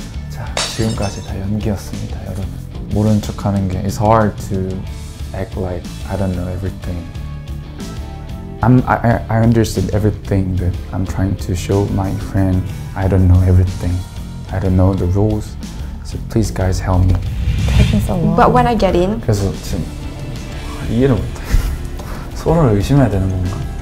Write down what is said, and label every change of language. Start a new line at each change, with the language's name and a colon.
Korean: 자, 지금까지 다 연기였습니다, 여러분. 모르는 척하는 게
English: it's hard to act like I don't know everything. I understood everything, but I'm trying to show my friend I don't know everything. I don't know the rules, so please guys help me. But when I get in?
Korean: 그래서 지금 이해를 못해. 서로를 의심해야 되는 건가?